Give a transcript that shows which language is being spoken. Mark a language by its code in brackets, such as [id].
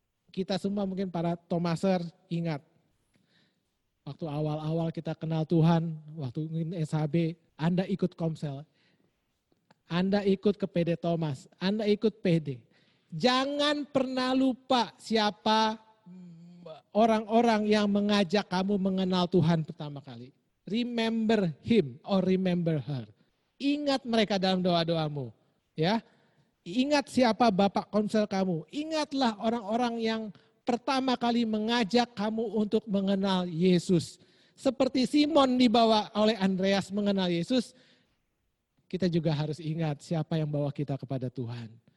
[id] Kita semua mungkin para Thomaser ingat. Waktu awal-awal kita kenal Tuhan, waktu ingin SHB, Anda ikut komsel. Anda ikut ke PD Thomas, Anda ikut PD. Jangan pernah lupa siapa orang-orang yang mengajak kamu mengenal Tuhan pertama kali. [en] Remember him or remember her. [id] Ingat mereka dalam doa-doamu. Ya. Ingat siapa bapak konsel kamu. Ingatlah orang-orang yang pertama kali mengajak kamu untuk mengenal Yesus. Seperti Simon dibawa oleh Andreas mengenal Yesus, kita juga harus ingat siapa yang bawa kita kepada Tuhan.